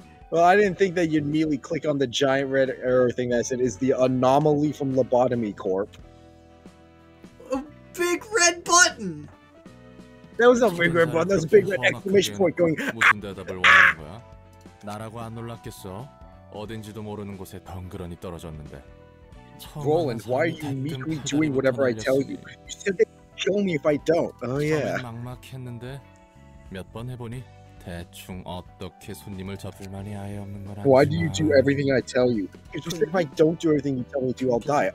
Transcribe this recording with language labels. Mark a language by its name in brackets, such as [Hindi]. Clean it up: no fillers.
[English] Well, I didn't think that you'd immediately click on the giant red arrow thing that said is the anomaly from Lobotomy Corp. A big red button! That was not a big red button, that was a big red exclamation point going, [Korean] 무슨 대답을 원하는 거야? 나라고 안 놀랐겠어? 어딘지도 모르는 곳에 덩그러니 떨어졌는데. [English] Roland, why are you meekly doing whatever I tell you? You said they'd kill me if I don't. Oh yeah. [Korean] 막막했는데 몇 번 해보니? [English] Why do you do everything I tell you? Because if I don't do everything you tell me to, I'll die.